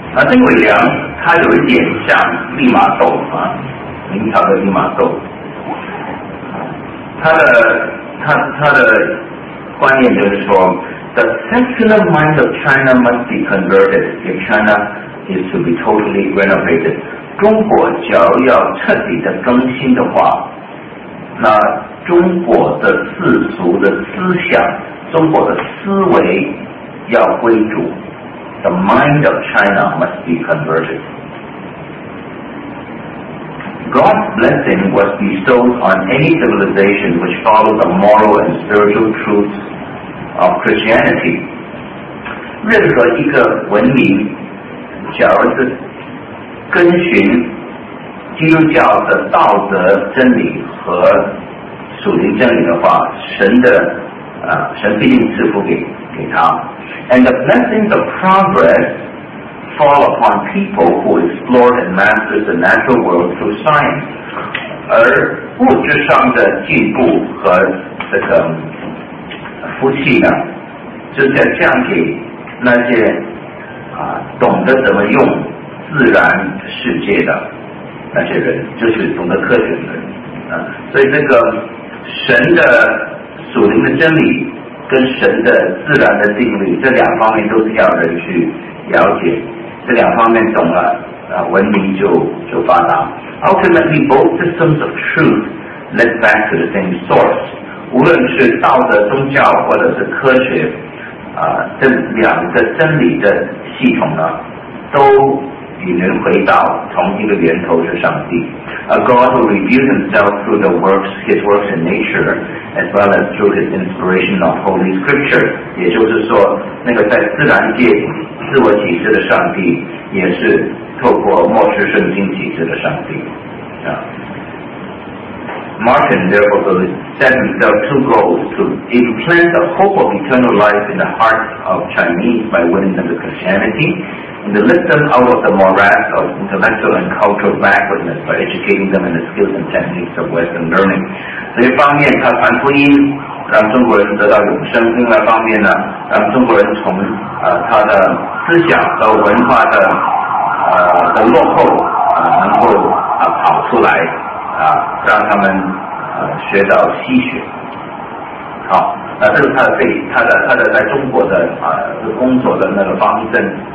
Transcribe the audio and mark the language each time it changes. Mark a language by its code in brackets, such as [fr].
[zh] 丁伟良他有一点像利玛窦啊，明朝的利玛窦，他的观念就是说 [en] ，the secular mind of China must be converted if China is to be totally renovated。 [zh] 中国只要彻底的更新的话，那中国的世俗的思想，中国的思维要归主 ， [en] the mind of China must be converted。 God's blessing was bestowed on any civilization which followed the moral and spiritual truths of Christianity. [zh] 任何一个文明，假如是遵循基督教的道德真理和属灵真理的话，神必定赐福给他。 [en] And the blessings of progress. Fall upon people who explore and master the natural world through science. [zh] 而物质上的进步和这个福气呢，就在降给那些懂得怎么用自然世界的那些人，就是懂得科学的人所以这个神的属灵的真理跟神的自然的定律，这两方面都是要人去了解。这两方面懂了文明就发达。 [en] Ultimately, both systems of truth led back to the same source. [zh] 无论是道德宗教或者是科学这两个真理的系统呢，都引人回到同一个源头，是上帝。 [en] A God who reveals himself through the works, his works in nature, as well as through his inspiration of Holy Scripture. [zh] 也就是说，那个在自然界自我启示的上帝，也是透过末世圣经启示的上帝。 [en] Martin therefore set himself two goals: to implant the hope of eternal life in the heart of Chinese by winning them to Christianity, and to lift them out of the morass of intellectual and cultural backwardness by educating them in the skills and techniques of Western learning. [zh] 所以一方面他传福音，让中国人得到永生；另外一方面呢，让中国人从他的思想和文化的落后能够跑出来。让他们学到西学。好，那这是他的在中国的工作的那个方针。